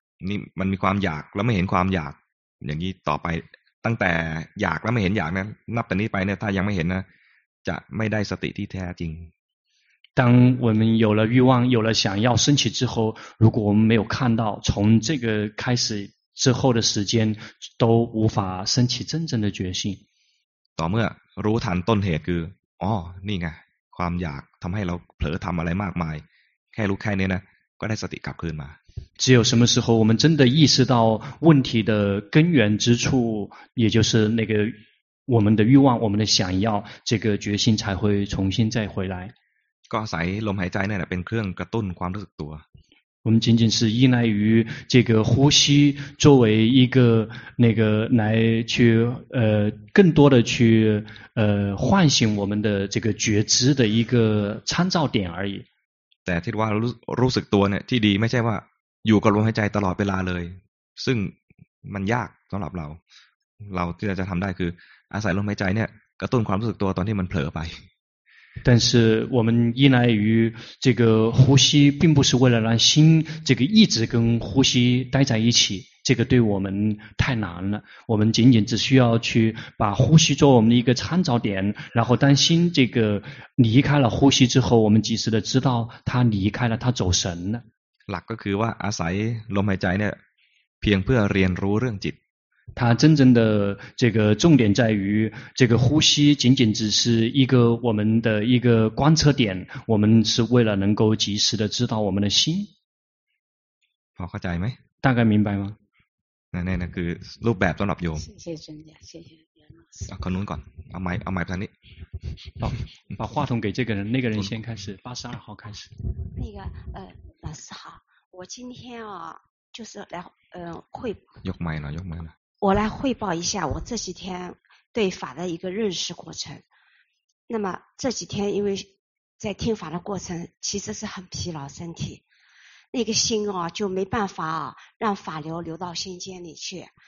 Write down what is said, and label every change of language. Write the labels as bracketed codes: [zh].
[th] 你มันมีความอยากแล้วไม่เห็นความอยากอย่างนี้ต่อไปตั้งแต่อยากแล้วไม่เห็นอยากนะนับแต่นี้ไปเนี่ยถ้ายังไม่เห็นนะจะไม่ได้สติที่แท้จริง [zh] 当我们有了欲望有了想要升起之后如果我们没有看到从这个开始之后的时间都无法升起真正的决心 [th] ต่อเมื่อรู้ทันต้นเหตุคืออ๋อนี่ไงความอยากทำให้เราเผลอทำอะไรมากมายแค่รู้แค่นี้นะก็ได้สติกลับคืนมา [zh] 只有什么时候我们真的意识到问题的根源之处也就是那个我们的欲望我们的想要这个决心才会重新再回来 [th] ก็ใส่ลมหายใจนี่แหละเป็นเครื่องกระตุ้นความรู้สึกตัว [zh] 我们仅仅是依赖于这个呼吸作为一个那个来去更多的去唤醒我们的这个觉知的一个参照点而已 [th] แต่ที่ว่ารู้สึกตัวเนี่ยที่ดีไม่ใช่ว่าอยู่กับลมหายใจตลอดเวลาเลยซึ่งมันยากสำหรับเราที่จะทำได้คืออาศัยลมหายใจเนี่ยกระตุ้นความรู้สึกตัวตอนที่มันเผลอไป [zh] 但是我们依赖于这个呼吸并不是为了让心这个一直跟呼吸待在一起这个对我们太难了我们仅仅只需要去把呼吸做我们的一个参照点然后当心这个离开了呼吸之后我们及时的知道它离开了它走神了 [th] หลักก็คือว่าอาศัยลมหายใจเนี่ยเพียงเพื่อเรียนรู้เรื่องจิต [zh] 它真正的这个重点在于这个呼吸仅仅只是一个我们的一个观测点我们是为了能够及时的知道我们的心好，大概明白吗？那 [th] คือรูปแบบสำหรับโยม เชิญเชิญเชิญ เอาคนนู้นก่อนเอาไมค์ไปทางนี้ [zh] 把话筒给这个人那个人先开始82号开始那个老师好我今天啊就是来汇 [th] ยกไมค์หน่อย [zh] 我来汇报一下我这几天对法的一个认识过程那么这几天因为在听法的过程其实是很疲劳身体那个心啊就没办法啊让法流流到心间里去